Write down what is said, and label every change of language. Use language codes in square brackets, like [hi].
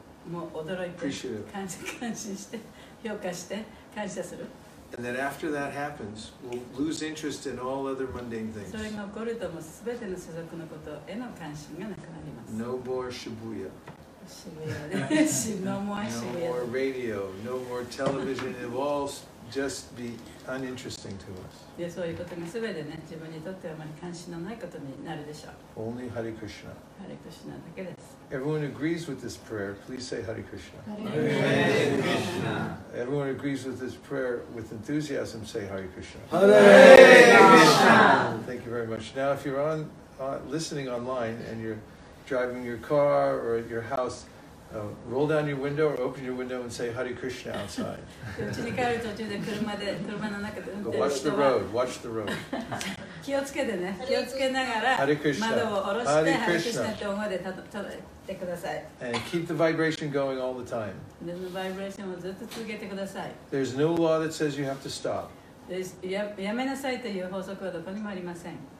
[ja] もう驚いて感心して評価して感謝する。 [en] And then after that happens, we'll lose interest in all other mundane things. [ja] それが起こるともすべての世俗のことへの関心がなくなります。 [en] No more Shibuya. Shibuya. No more Shibuya. No more radio. No more television. It will all just be uninteresting to us. [ja] でそういうことがすべてね自分にとってはあまり関心のないことになるでしょう。 [en] Only Hare Krishna. [ja] Hare Krishna だけです。 [en] Everyone agrees with this prayer, please say Hare Krishna. Hare Krishna. Everyone agrees with this prayer with enthusiasm, say Hare Krishna. Hare Krishna. Thank you very much. Now if you're on listening online and you're driving your car or at your house, roll down your window or open your window and say Hare Krishna outside. Watch the road, watch the road. [ja] 気をつけてね、気をつけながら窓を下ろして Hare Krishna って思われたと。 [en] And keep the vibration going all the time. Then the vibration [ja] をずっと続けてください。 [en] There's no law that says you have to stop. [ja] やめなさいという法則はどこにもありません。